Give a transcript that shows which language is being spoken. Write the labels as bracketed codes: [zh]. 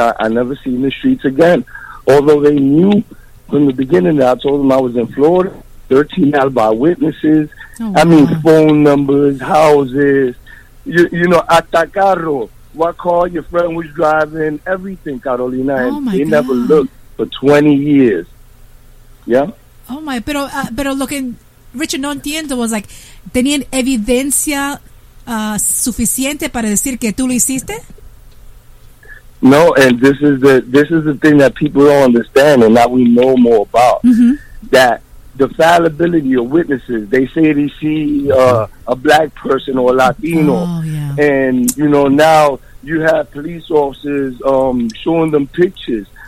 [en] I never seen the streets again. Although they knew from the beginning that I told them I was in Florida, 13 alibi witnesses. Oh, I mean, phone numbers, houses, you know, [es] hasta carro, [en] what car your friend was driving, everything, Carolina. And oh my they God. Never looked for 20 years. Yeah? Oh, my. [es] Pero lo que Richard no entiendo [en] was like, [es] ¿tenían evidencia suficiente para decir que tú lo hiciste? [en] No, and this is the thing that people don't understand and that we know more about. Mm-hmm. That the fallibility of witnesses, they say they see a black person or a Latino. Oh, yeah. And, you know, now you have police officers showing them pictures.